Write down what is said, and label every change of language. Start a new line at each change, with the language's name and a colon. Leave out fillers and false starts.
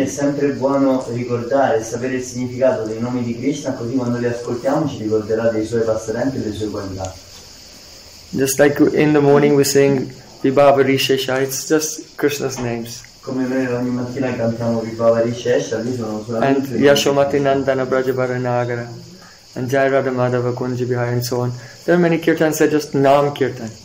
Italian: Quindi è sempre buono ricordare, sapere il significato dei nomi di Krishna, così quando li ascoltiamo ci ricorderà dei suoi pastimes e delle sue qualità.
English: Just like in the morning we sing bheda-abheda-tattva, it's just Krishna's names.
Italian: Come noi ogni mattina cantiamo bheda-abheda-tattva, lì sono solamente.
English: And Yashomati Nandana Brajabara Nagara. And Jai Radha Madhava Kunji Bihari and so on. There are many kirtans that are just Nam Kirtan.